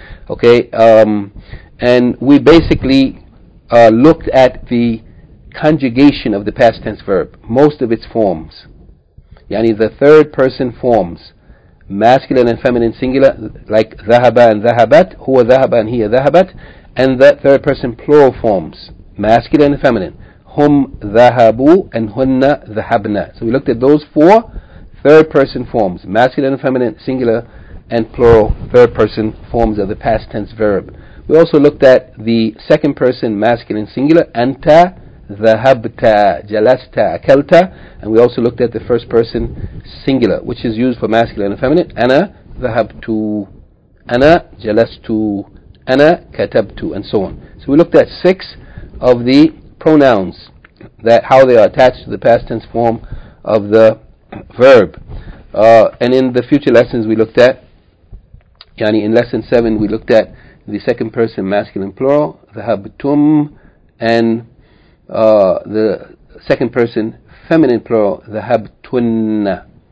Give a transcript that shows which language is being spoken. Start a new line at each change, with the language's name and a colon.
English: Okay, and we basically looked at the conjugation of the past tense verb, most of its forms. Yani the third person forms, masculine and feminine singular, like ذهبَ and ذهبَت,
Arabic: هو ذهبَ
English: and
Arabic: هي ذهبَت,
English: and the third person plural forms, masculine and feminine.
Arabic: Hum ذهبوا and هن ذهبنا.
English: So we looked at those four third person forms, masculine and feminine, singular and plural third person forms of the past tense verb. We also looked at the second person masculine singular,
Arabic: أنت ذهبت جلست أكلت,
English: and we also looked at the first person singular, which is used for masculine and feminine, أنا
Arabic: ذهبت أنا جلست أنا كتبت
English: and so on. So we looked at six of the pronouns, that how they are attached to the past tense form of the verb. And in the future lessons we looked at, yani in lesson 7 we looked at the second person masculine plural, ذهبتم, and the second person feminine plural, ذهبتن.